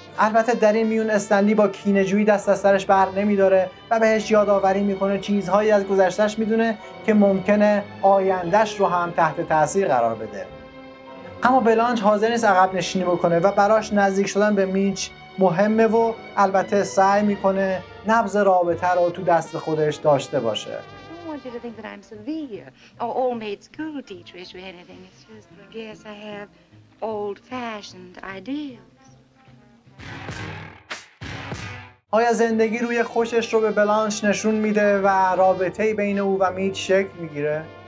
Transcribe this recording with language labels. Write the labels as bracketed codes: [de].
[fa] البته در این میون استنلی با کینه‌جویی دست از سرش بر نمی‌داره و بهش یادآوری می‌کنه چیزهایی از گذشتهش می‌دونه که ممکنه آینده‌اش رو هم تحت تأثیر قرار بده. اما بلانج حاضر نیست عقب نشینی بکنه و براش نزدیک شدن به میچ مهمه و البته سعی می‌کنه نبض رابطه رو تو دست خودش داشته باشه. [en] I don't want you to want you to think that I'm severe or all-made school teacherish or anything. It's just, I guess I have old-fashioned ideals. [fa] آیا زندگی روی خوشش رو به بلانش نشون میده و رابطه بین او و میت شکل میگیره؟